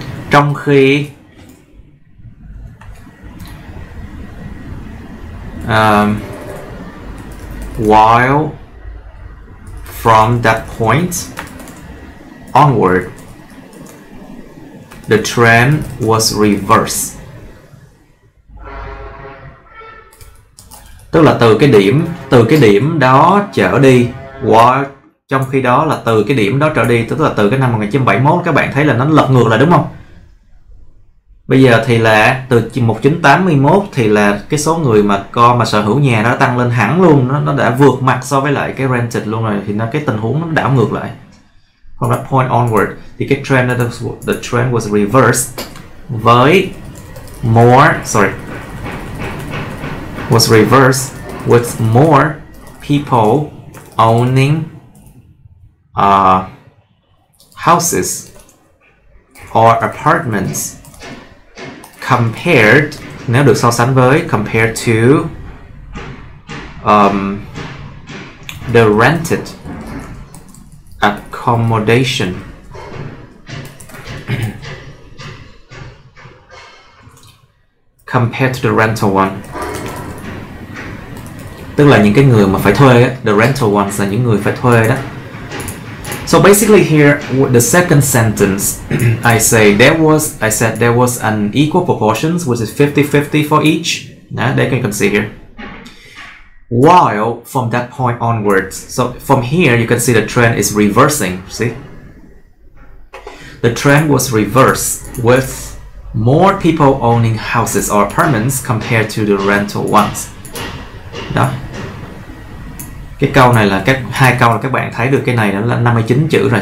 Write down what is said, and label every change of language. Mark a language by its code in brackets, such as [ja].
[vi] Trong khi [en] while from that point onward, the trend was reversed. [vi] Tức là từ cái điểm đó trở đi, trong khi đó là từ cái điểm đó trở đi, tức là từ cái năm 1971 các bạn thấy là nó lật ngược lại đúng không? Bây giờ thì là từ 1981 thì là cái số người mà con mà sở hữu nhà nó tăng lên hẳn luôn, nó đã vượt mặt so với lại cái rented luôn rồi, thì nó cái tình huống nó đảo ngược lại. [en] From that point onward [vi] thì cái trend, [en] the trend was reversed, với more, sorry, was reversed with more people owning houses or apartments compared, [vi] nếu được so sánh với, [en] compared to the rented accommodation. Compared to the rental one. [vi] Tức là những cái người mà phải thuê, the rental ones là những người phải thuê đó. [en] So basically here, the second sentence, I said there was an equal proportions, which is 50-50 for each. Now that you can see here. While from that point onwards, so from here you can see the trend is reversing. See, the trend was reversed with more people owning houses or apartments compared to the rental ones. [vi] Đó. Cái câu này là các hai câu là các bạn thấy được cái này đó là 59 chữ rồi.